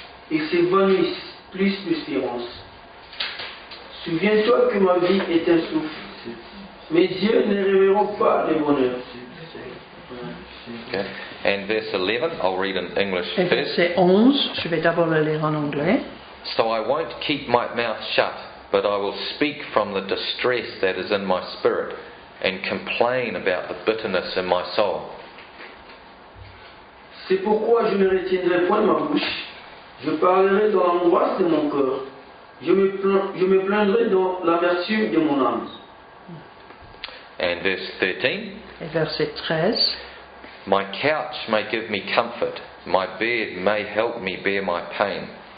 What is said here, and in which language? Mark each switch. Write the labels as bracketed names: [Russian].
[French] Ils s'évanouissent plus d'espérance. Souviens-toi que ma vie est un souffle. Mes yeux ne reverront pas le bonheur. [English] Okay. And verse 11, I'll read in English [French] et [English] first. [French] Verset 11, je vais d'abord le lire en anglais. [English] So I won't keep my mouth shut, but I will speak from the distress that is in my spirit and complain about the bitterness in my soul. [French] C'est pourquoi je ne retiendrai point ma bouche. Je parlerai dans l'angoisse de mon cœur. Je me plaindrai dans l'amertume de mon âme. [English] And verse 13. [French] Et verset 13. [English] My couch may give me comfort. My bed may help me bear my pain.